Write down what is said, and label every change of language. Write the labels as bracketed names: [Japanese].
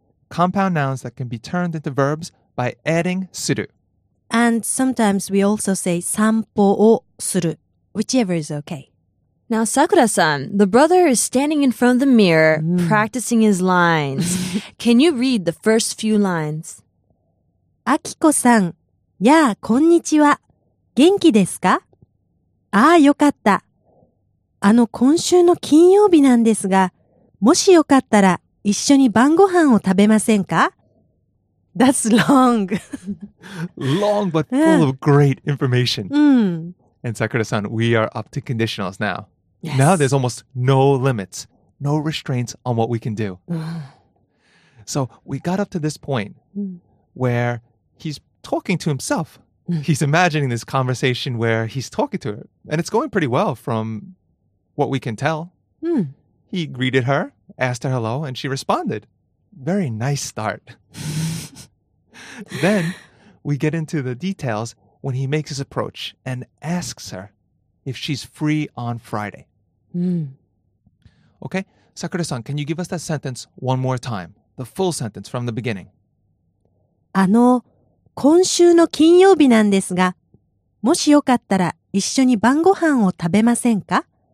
[English] Compound nouns that can be turned into verbs by adding する. And sometimes we also say [Japanese] 散歩をする, [English] whichever is okay. Now, Sakura-san, the brother is standing in front of the mirror, practicing his lines. Can you read the first few lines? [Japanese] あきこさん、やあ、こんにちは。元気ですか？ああ、よかった。今週の金曜日なんですが、もしよかったら一緒に晩ご飯を食べませんか? [English] That's long. Long but full of great information. Yeah. And Sakura-san, we are up to conditionals now. Yes. Now there's almost no limits, no restraints on what we can do. So we got up to this point where he's talking to himself. He's imagining this conversation where he's talking to her. And it's going pretty well from what we can tell. He greeted her, asked her hello, and she responded. Very nice start. Then we get into the details when he makes his approach and asks her if she's free on Friday. Okay, Sakura-san, can you give us that sentence one more time? The full sentence from the beginning. [Japanese] あの、今週の金曜日なんですが、もしよかったら一緒に晩ご飯を食べませんか?